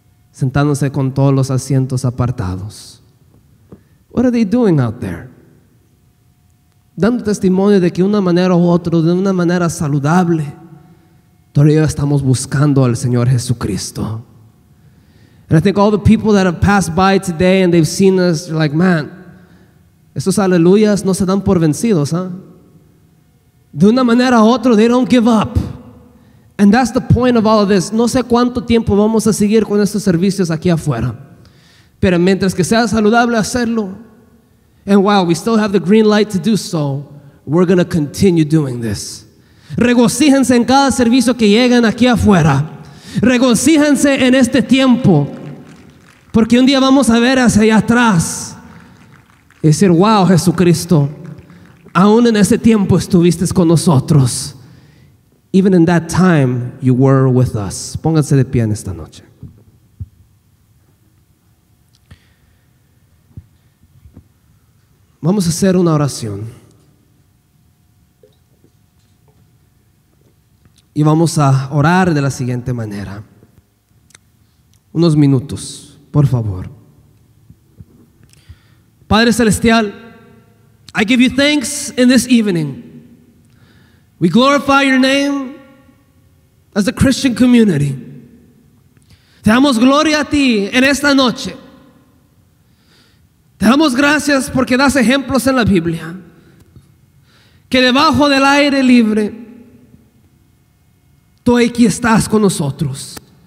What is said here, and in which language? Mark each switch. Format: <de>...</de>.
<es>Sentándose con todos los asientos apartados.</es> <en>What are they doing out there?</en> <es>Dando testimonio de que una manera u otra, de una manera saludable, todavía estamos buscando al Señor Jesucristo.</es> <en>And I think all the people that have passed by today and they've seen us, you're like, man,</en> <es>esos aleluyas no se dan por vencidos, ¿eh? De una manera u otra,</es> <en>they don't give up. And that's the point of all of this.</en> <es>No sé cuánto tiempo vamos a seguir con estos servicios aquí afuera, pero mientras que sea saludable hacerlo,</es> <en>and while we still have the green light to do so, we're going to continue doing this.</en> <es>Regocíjense en cada servicio que lleguen aquí afuera. Regocíjense en este tiempo, porque un día vamos a ver hacia allá atrás y decir, wow, Jesucristo, aún en ese tiempo estuviste con nosotros.</es> <en>Even in that time, you were with us.</en> <es>Pónganse de pie en esta noche. Vamos a hacer una oración. Y vamos a orar de la siguiente manera. Unos minutos, por favor. Padre Celestial,</es> <en>I give you thanks in this evening. We glorify your name as a Christian community.</en> <es>Te damos gloria a ti en esta noche. Te damos gracias porque das ejemplos en la Biblia. Que debajo del aire libre, tú aquí estás con nosotros.</es>